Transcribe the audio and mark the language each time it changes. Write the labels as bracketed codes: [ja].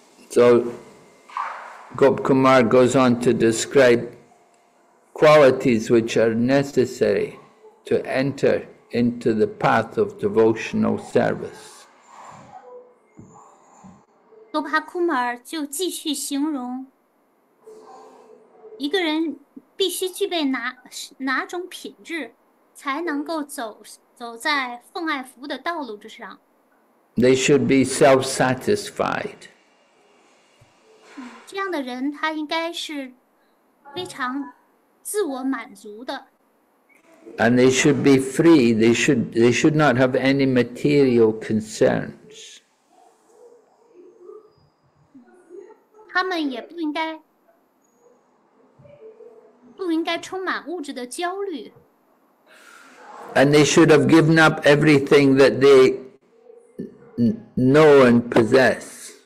[en] So, Gop Kumar goes on to describe qualities which are necessary to enter into the path of devotional service. [zh] Gop Kumar 就继续形容一个人必须具备哪种品质，才能够走在奉爱服务的道路之上。 [en] They should be self-satisfied. [zh] 这样的人他应该是非常自我满足的。 [en] And they should be free, they should not have any material concerns. [zh] 他们也不应该充满物质的焦虑。 [en] And they should have given up everything that they know and possess.